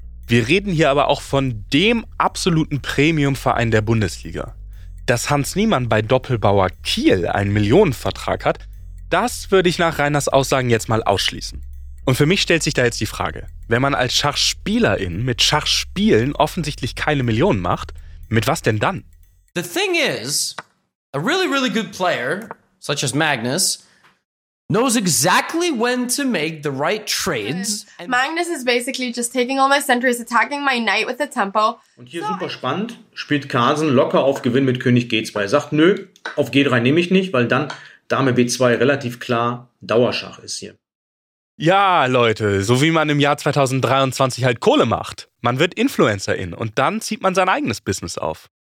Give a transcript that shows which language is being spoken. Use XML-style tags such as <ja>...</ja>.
<de>Wir reden hier aber auch von dem absoluten Premium-Verein der Bundesliga. Dass Hans Niemann bei Doppelbauer Kiel einen Millionenvertrag hat, das würde ich nach Rainers Aussagen jetzt mal ausschließen. Und für mich stellt sich da jetzt die Frage, wenn man als Schachspielerin mit Schachspielen offensichtlich keine Millionen macht, mit was denn dann?</de> <en>The thing is, a really, really good player, such as Magnus, knows exactly when to make the right trades. Magnus is basically just taking all my centers, attacking my knight with the tempo.</en> <de>Und hier so super spannend, spielt Carlsen locker auf Gewinn mit König G2. Er sagt, nö, auf G3 nehme ich nicht, weil dann Dame B2 relativ klar Dauerschach ist hier. Ja, Leute, so wie man im Jahr 2023 halt Kohle macht. Man wird Influencerin und dann zieht man sein eigenes Business auf.</de>